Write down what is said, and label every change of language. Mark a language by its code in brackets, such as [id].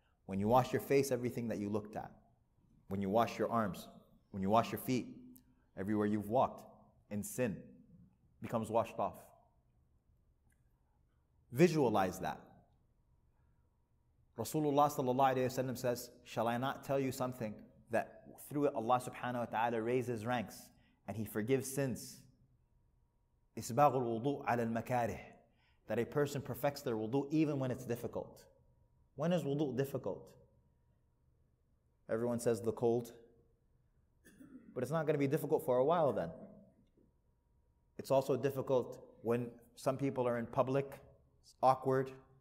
[en] When you wash your face, everything that you looked at. When you wash your arms, when you wash your feet, everywhere you've walked in sin becomes washed off. Visualize that. Rasulullah sallallahu alayhi wa sallam says, shall I not tell you something that through it Allah subhanahu wa ta'ala raises ranks and He forgives sins? [ar] إسباغ الوضوء على المكاره. [en] That a person perfects their wudu even when it's difficult. When is wudu difficult? Everyone says the cold. But it's not going to be difficult for a while then. It's also difficult when some people are in public. It's awkward.